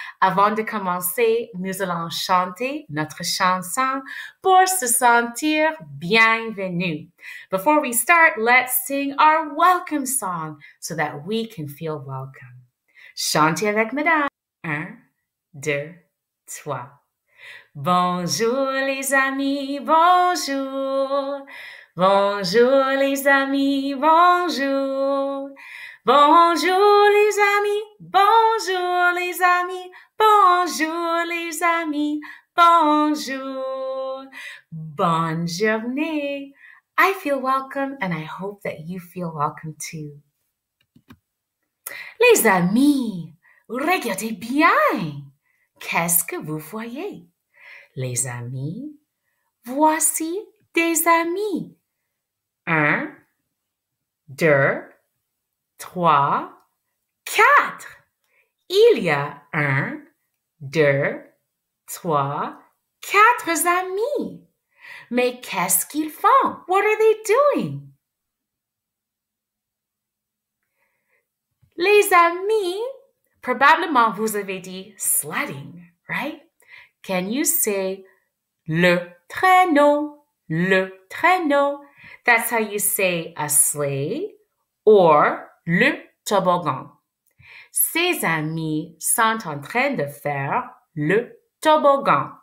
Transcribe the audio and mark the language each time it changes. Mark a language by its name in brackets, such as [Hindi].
[French] Avant de commencer, nous allons chanter notre chanson pour se sentir bienvenue. [English] Before we start, let's sing our welcome song so that we can feel welcome. [French] Chantez avec madame. Un, deux, trois. Bonjour les amis, bonjour. Bonjour les amis, bonjour. Bonjour les amis, bonjour les amis, bonjour les amis, bonjour. Bonne journée. [English] I feel welcome and I hope that you feel welcome too. [French] Les amis, regardez bien. Qu'est-ce que vous voyez? Les amis, voici des amis. Un, deux, trois, quatre. Il y a un, deux, trois, quatre amis. Mais qu'est-ce qu'ils font? [English] What are they doing? [French] Les amis, probablement vous avez dit sledding, right? [English] Can you say le traîneau, le traîneau? That's how you say a sleigh or le toboggan. [French] Ses amis sont en train de faire le toboggan.